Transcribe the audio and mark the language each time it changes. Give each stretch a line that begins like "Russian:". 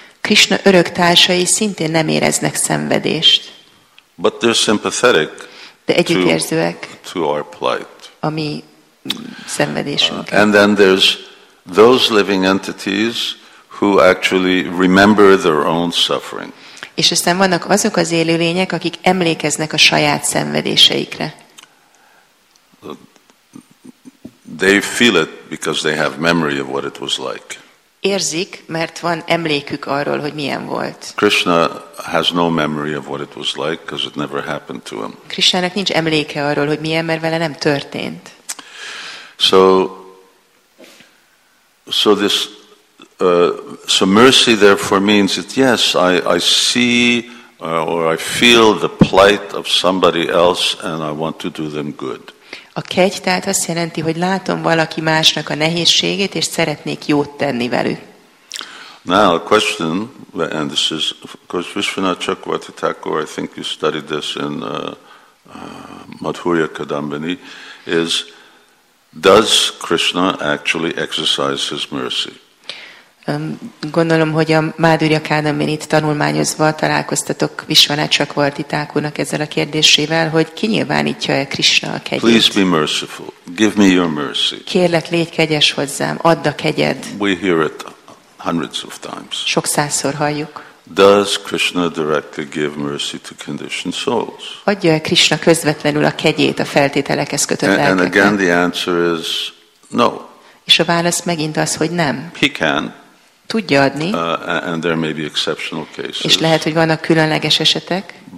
Hungarian: Krishna örök társai szintén nem éreznek szenvedést.
English: But they're sympathetic.
Hungarian: De együttérzőek.
English: To our plight.
Hungarian: A mi szenvedésünk.
English: And then there's those living entities who actually remember their own suffering.
Hungarian: És aztán vannak azok az élőlények, akik emlékeznek a saját szenvedéseikre.
English: They feel it because they have memory of what it was like.
Hungarian: Érzik, mert van emlékük arról, hogy milyen volt.
English: Krishna has no memory of what it was like because it never happened to him.
Hungarian: Krishnának nincs emléke arról, hogy milyen, mert vele nem történt.
English: So mercy therefore means that yes, I see or I feel the plight of somebody else and I want to do them good.
Hungarian: A kegy tehát azt jelenti, hogy látom valaki másnak a nehézségét, és szeretnék jót tenni velük.
English: Now a question, and this is, of course, Vishwanath Chakravarti Thakur, I think you studied this in Madhurya Kadambini, is, does Krishna actually exercise his mercy?
Hungarian: Gondolom, hogy a Madhurya Kadambinit tanulmányozva találkoztatok Vishwanath Chakravarti Thakurnak ezzel a kérdésével, hogy kinyilvánítja-e Krishna a kegyét.
English: Please be merciful. Give me your mercy.
Hungarian: Kérlek, légy kegyes hozzám. Add a kegyed.
English: We hear it hundreds of times.
Hungarian: Sok százszor halljuk.
English: Does Krishna directly give mercy to conditioned souls?
Hungarian: Adja-e Krishna közvetlenül a kegyét a feltételekhez kötött lelkeknek?
English: And again the answer is no.
Hungarian: És a válasz megint az, hogy nem.
English: He can.
Hungarian: Tudja adni.
English: And there may be exceptional cases.
Hungarian: És lehet, hogy vannak különleges esetek.